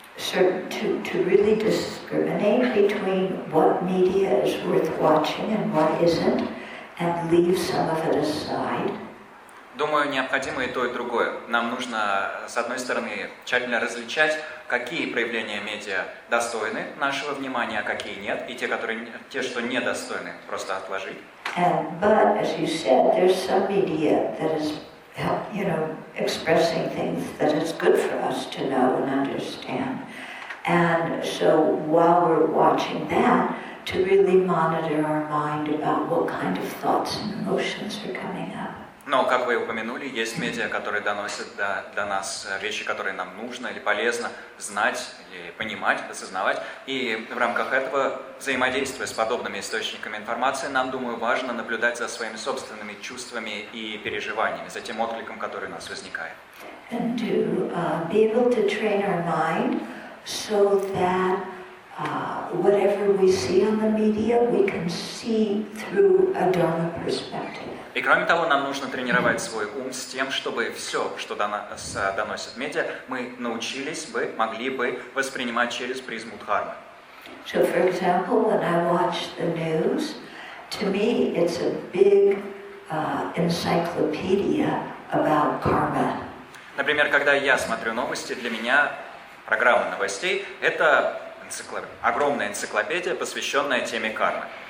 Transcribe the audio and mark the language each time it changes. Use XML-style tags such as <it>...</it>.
<en>To really discriminate between what media is worth watching and what isn't, and leave some of it aside.</en> <ru>Думаю, необходимо и то, и другое. Нам нужно, с одной стороны, тщательно различать, какие проявления медиа достойны нашего внимания, а какие нет, и те, что недостойны, просто отложить.</ru> <en>But as you said, there's some media that is, you know, expressing things that is good for us to know and understand. And so while we're watching that, to really monitor our mind about what kind of thoughts and emotions are coming up.</en> <ru>Но, как вы упомянули, есть медиа, которые доносят до нас вещи, которые нам нужно или полезно знать, или понимать, осознавать. И в рамках этого, взаимодействуя с подобными источниками информации, нам, думаю, важно наблюдать за своими собственными чувствами и переживаниями, за тем откликом, который у нас возникает.</ru> <en>And to be able to train our mind so that whatever we see on the media, we can see through a Dharma perspective.</en> <ru>И кроме того, нам нужно тренировать свой ум с тем, чтобы все, что доносит медиа, мы научились бы, могли бы воспринимать через призму дхармы.</ru> <en>So, for example, when I watch the news, to me it's a big encyclopedia about karma.</en> <ru>Например, когда я смотрю новости, для меня программа новостей — это огромная энциклопедия, посвященная теме кармы.</ru>